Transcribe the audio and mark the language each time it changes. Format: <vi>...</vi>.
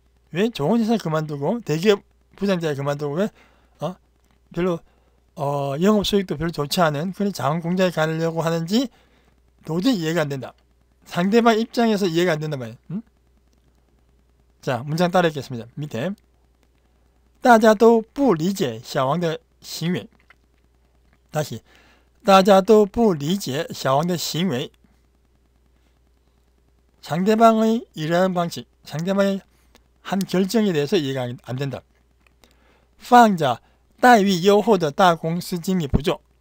<ko>왜 좋은 회사 그만두고 대기업 부장자리 그만두고 왜 별로 영업 수익도 별로 좋지 않은 그런 작은 공장에 가려고 하는지 도저히 이해가 안 된다. 상대방 입장에서 이해가 안 된단 말이야. 응? 자, 문장 따라 읽겠습니다. 밑에</ko> <zh>大家都不理解小王的行为.</zh> <ko>다시</ko> <zh>大家都不理解小王的行为.</zh> <ko>상대방의 이러한 방식, 상대방의 한 결정에 대해서 이해가 안 된다.</ko> <zh>放자 待遇优厚的大公司经理不做.</zh>